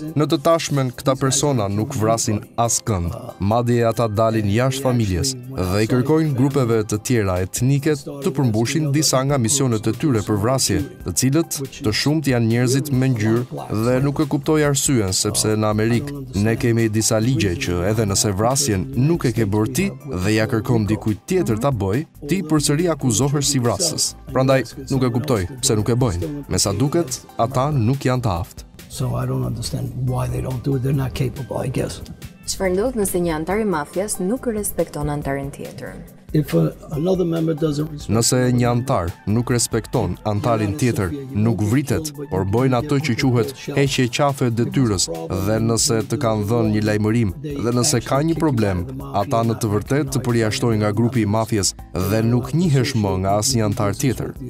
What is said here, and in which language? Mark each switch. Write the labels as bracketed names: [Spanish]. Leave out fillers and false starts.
[Albanian] Në të tashmen, këta persona nuk vrasin askënd, madje ata dalin jashtë familjes dhe i kërkojnë grupeve të tjera etnike të përmbushin disa nga misionet e tyre për vrasje, të cilët të shumt janë njerëzit me ngjyrë dhe nuk e kuptoj arsyen, sepse në Amerikë ne kemi disa ligje që edhe nëse vrasjen nuk e ke bërë ti dhe ja kërkon dikujt tjetër ta bëj, ti përsëri akuzohesh si vrasës. Prandaj nuk e kuptoj pse nuk e bëjnë. Me sa duket, ata nuk janë të aftë. [English] So I don't understand why they don't do it. They're not capable, I guess. [Albanian] Çfarë ndodh nëse një antar i mafias nuk respekton antarin tjetër? [English] If another member doesn't respect. [Albanian] Nëse një antar nuk respekton antarin tjetër, nuk vritet, por bëjnë atë që quhet heqje qafe e detyrës, dhe nëse të kanë dhënë një lajmërim, dhe nëse ka një problem, ata në të vërtetë të përjashtojnë nga grupi i mafias dhe nuk njihesh më nga asnjë antar tjetër.